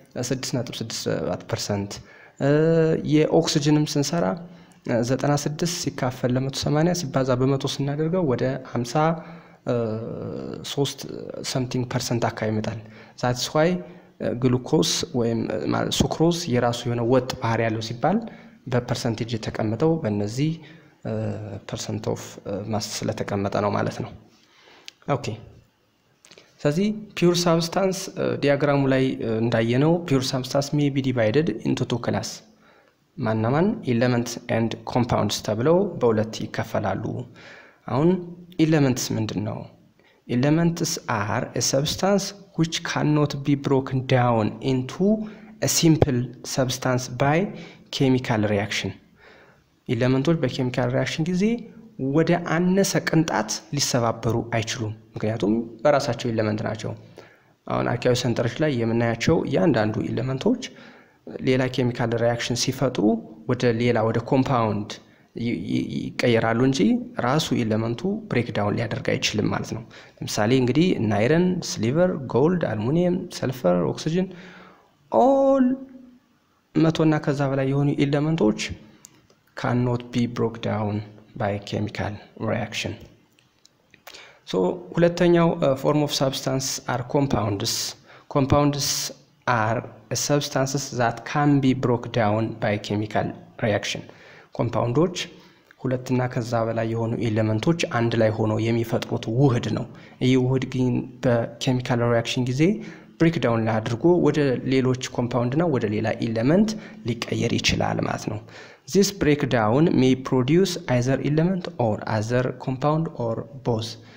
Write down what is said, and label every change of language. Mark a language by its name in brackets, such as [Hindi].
[Amharic] 6.67% የኦክሲጅንም ስንሰራ 96 ሲካፈል ለ180 ሲባዛ በ100 ስናደርገው ወደ 50 3 something percent አካባቢ ይመጣል። [English] that's why [Amharic] ግሉኮስ ወይም ማለት ሱክሮስ የራሱ የሆነ ወጥ ባህሪ ያለው ሲባል በፐርሰንቴጅ ተቀመጠው በእነዚህ [English] percent of mass [Amharic] ስለተቀመጠ ነው ማለት ነው። ኦኬ ስለዚህ [English] pure substance ዲያግራሙ ላይ እንዳየነው pure substance may be divided into two class [Amharic] ማናማን [English] elements and compounds [Amharic] ተብለው በሁለት ይከፈላሉ። አሁን elements ምንድነው? [English] Elements are a substance which cannot be broken down into a simple substance by chemical reaction. [Amharic] ኤሌመንቶች በኬሚካል ሪአክሽን ጊዜ ወደ አነሰ ቅንጣት ሊሰባበሩ አይችሉም ምክንያቱም በራሳቸው ኤሌመንት ናቸው። አሁን አርኪያዊ ሰንተርሽ ላይ የምናያቸው ያንዳንዱ ኤሌመንቶች ሌላ ኬሚካል ሪአክሽን ሲፈጥሩ ወደ ሌላ ወደ ኮምፓውንድ ይቀየራሉ እንጂ ራሱ ኤሌመንቱ ብሬክ ዳውን ሊያደርግ አይችልም ማለት ነው። ለምሳሌ እንግዲህ ናይረን፣ ሲልቨር፣ ጎልድ፣ አልሙኒየም፣ ሰልፈር፣ ኦክሲጅን ኦል 100 እና ከዛ በላይ የሆኑ ኤሌመንቶች [English] cannot be broken down by chemical reaction. So, [Amharic] ሁለተኛው [English] form of substance are compounds. Compounds are substances that can be broken down by chemical reaction. [Amharic] ኮምፓውንዶች ሁለትና ከዛ በላይ የሆኑ ኤሌመንቶች አንድ ላይ ሆኖ የሚፈጥሩት ውህድ ነው። ይህ ውህድ ግን በኬሚካል ሪአክሽን ጊዜ ብሬክ ዳውን ላድርጎ ወደ ሌሎች ኮምፓውንድና ወደ ሌላ ኤሌመንት ሊቀየር ይችላል ማለት ነው። [English] This breakdown may produce either element or other compound or both.